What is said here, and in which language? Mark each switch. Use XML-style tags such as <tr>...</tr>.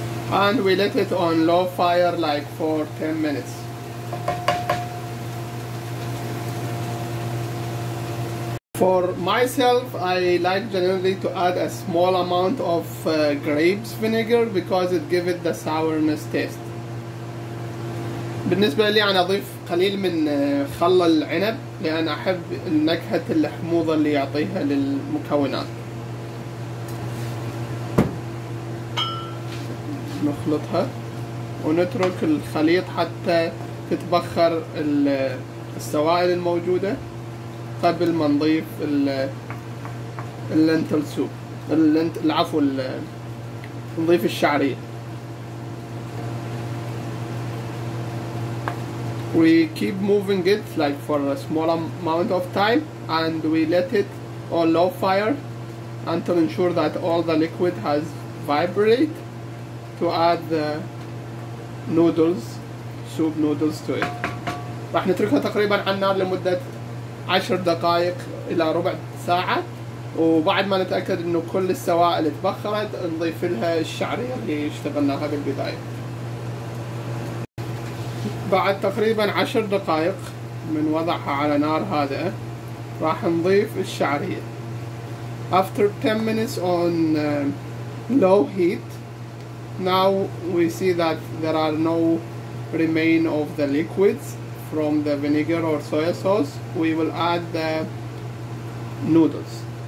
<en>And we let it on low fire like for 10 minutes. For myself, I like generally to add a small amount of grape vinegar because it gives it the sourness taste.</en> <ar>بالنسبة لي أنا أضيف قليل من خل العنب لأن أحب النكهة الحموضة اللي يعطيها للمكونات. نخلطها ونترك الخليط حتى تتبخر السوائل الموجودة قبل ما نضيف اللنتل سوب العفو نضيف الشعرية. We keep moving it like for a small amount of time and we let it on low fire until ensure that all the liquid has vibrate to add the noodles, soup noodles to it. راح نتركها تقريبا على النار لمدة 10 دقائق إلى ربع ساعة وبعد ما نتأكد إنه كل السوائل تبخرت نضيف لها الشعرية اللي اشتغلناها بالبداية. بعد تقريبا 10 دقائق من وضعها على نار هادئة راح نضيف الشعرية.</ar> <en>After 10 minutes on low heat now we see that there are no remain of the liquids from the vinegar or soy sauce. We will add the noodles.</en>